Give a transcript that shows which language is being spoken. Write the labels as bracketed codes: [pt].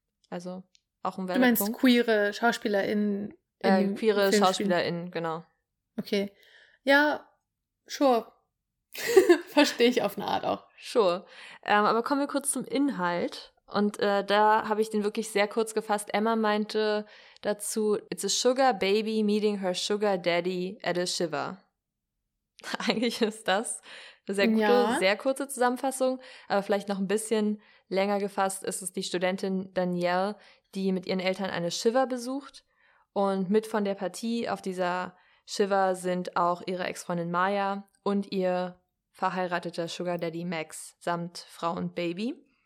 [de] Also auch ein Wendepunkt. Du meinst queere SchauspielerInnen? Queere SchauspielerInnen, genau. Okay. Ja, [en] sure. [de] Verstehe ich auf eine Art auch. [en] Sure. [de] Aber kommen wir kurz zum Inhalt. Und da habe ich den wirklich sehr kurz gefasst. Emma meinte dazu, [en] it's a sugar baby meeting her sugar daddy at a shiva. [de] Eigentlich ist das eine sehr gute, ja, sehr kurze Zusammenfassung. Aber vielleicht noch ein bisschen länger gefasst ist es die Studentin Danielle, die mit ihren Eltern eine Shiva besucht. Und mit von der Partie auf dieser Shiva sind auch ihre Ex-Freundin Maya und ihr verheirateter Sugar Daddy Max samt Frau und Baby.